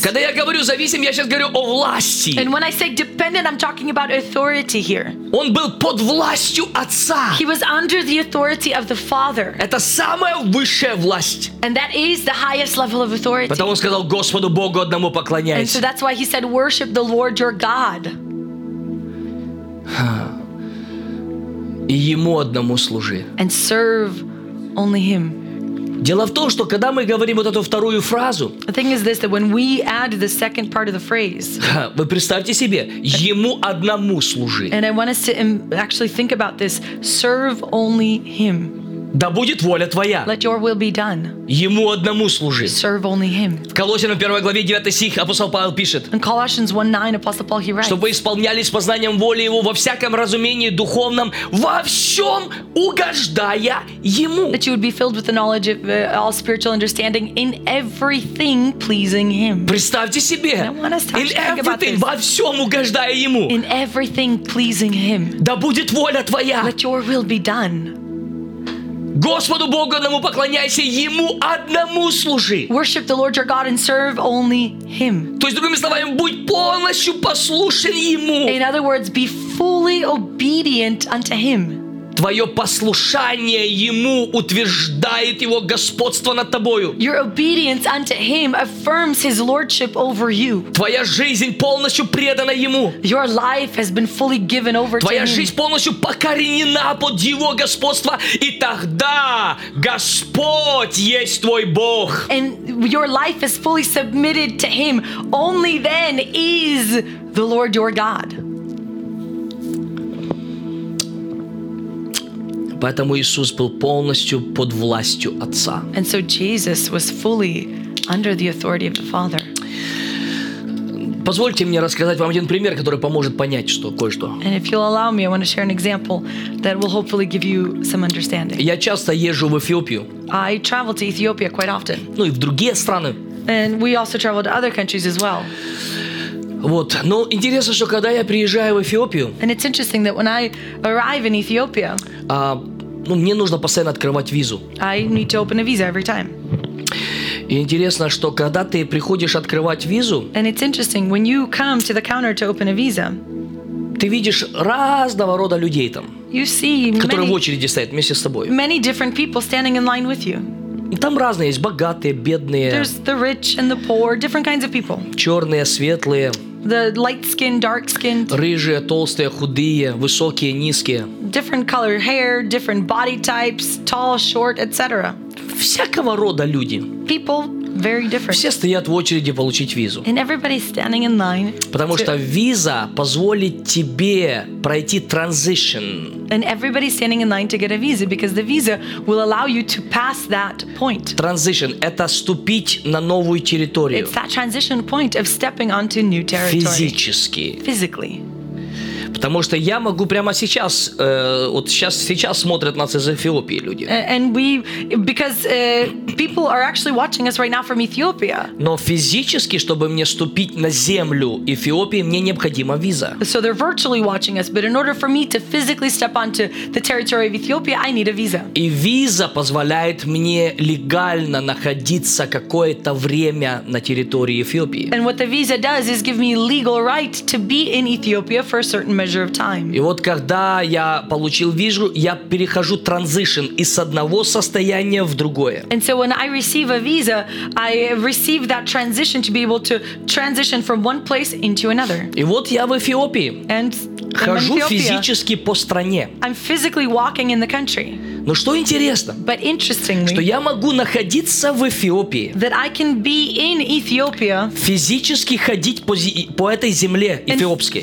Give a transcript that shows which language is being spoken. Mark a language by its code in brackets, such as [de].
[ru] Когда я говорю зависим, я сейчас говорю о власти. [en] And when I say dependent, I'm talking about authority here. [ru] Он был под властью Отца. [en] He was under the authority of the Father. [ru] Это самая высшая власть. [en] And that is the highest level of authority. [ru] Потому он сказал, Господу Богу одному поклоняйся. [en] And so that's why he said, worship the Lord your God. [ru] И Ему одному служи. [en] And serve only Him. [ru] Дело в том, что когда мы говорим вот эту вторую фразу, [en] the thing is this, that when we add the second part of the phrase, [ru] вы представьте себе, Ему одному служи. [en] And I want us to actually think about this, serve only Him. [ru] Да будет воля твоя. [en] Let your will be done. [ru] Ему одному служи. [en] Serve only him. [ru] В Колоссянам 1 главе 9 стих апостол Павел пишет. [en] In Colossians 1:9 apostle Paul he writes. [ru] Чтобы исполнялись познанием воли его во всяком разумении духовном, во всем угождая ему. [en] That you would be filled with the knowledge of all spiritual understanding in everything pleasing him. [ru] Представьте себе. [en] And I want us to talk about this. [ru] Во всем угождая ему. [en] In everything pleasing him. [ru] Да будет воля твоя. [en] Let your will be done. [ru] Господу Богу одному поклоняйся, Ему одному служи. [en] Worship the Lord your God and serve only Him. [ru] То есть, другими словами, будь полностью послушен Ему. [en] In other words, be fully obedient unto Him. [ru] Твое послушание Ему утверждает Его господство над тобою. [en] Your obedience unto Him affirms His lordship over you. [ru] Твоя жизнь полностью предана Ему. [en] Your life has been fully given over to Him. [ru] Твоя жизнь полностью покоренена под Его господство, и тогда Господь есть твой Бог. [en] And your life is fully submitted to Him. Only then is the Lord your God. [ru] Поэтому Иисус был полностью под властью Отца. [en] And so Jesus was fully under the authority of the Father. [ru] Позвольте мне рассказать вам один пример, который поможет понять что, кое-что. [en] And if you'll allow me, I want to share an example that will hopefully give you some understanding. [ru] Я часто езжу в Эфиопию. [en] I travel to Ethiopia quite often. [ru] Ну и в другие страны. [en] And we also travel to other countries as well. [ru] Вот. Но интересно, что когда я приезжаю в Эфиопию, [en] and it's interesting that when I arrive in Ethiopia, [ru] ну, мне нужно постоянно открывать визу. [en] I need to open a visa every time. [ru] И интересно, что когда ты приходишь открывать визу, [en] and it's interesting, when you come to the counter to open a visa, [ru] ты видишь разного рода людей там, [en] you see [ru] которые [en] many, [ru] в очереди стоят вместе с тобой. [en] Many different people standing in line with you. [ru] Там разные есть, богатые, бедные. [en] There's the rich and the poor, different kinds of people. [ru] Черные, светлые. [en] The light-skinned, dark-skinned. [ru] Рыжие, толстые, худые, высокие, низкие. [en] Different color hair, different body types, tall, short, etc. [ru] Всякого рода люди. [en] People very different. [ru] Все стоят в очереди получить визу. [en] And everybody's standing in line. [ru] Потому что виза позволит тебе пройти transition. [en] And everybody's standing in line to get a visa because the visa will allow you to pass that point. [ru] Transition – это ступить на новую территорию. [en] It's that transition point of stepping onto new territory. [ru] Физически. [en] Physically. [ru] Потому что я могу прямо сейчас, вот сейчас, сейчас смотрят нас из Эфиопии люди. [en] And we, because people are actually watching us right now from Ethiopia. [ru] Но физически, чтобы мне ступить на землю Эфиопии, мне необходима виза. [en] So they're virtually watching us, but in order for me to physically step onto the territory of Ethiopia, I need a visa. [ru] И виза позволяет мне легально находиться какое-то время на территории Эфиопии. [en] And what the visa does is give me legal right to be in Ethiopia for a certain measure of time. [ru] И вот когда я получил визу, я перехожу transition из одного состояния в другое. [en] And so when I receive a visa, I receive that transition to be able to transition from one place into another. [ru] И вот я в Эфиопии. [en] And [ru] хожу физически по стране. [en] I'm physically walking in the country. [ru] Но что интересно, [en] but interestingly, [ru] что я могу находиться в Эфиопии, [en] that I can be in Ethiopia, [ru] физически ходить по этой земле эфиопской,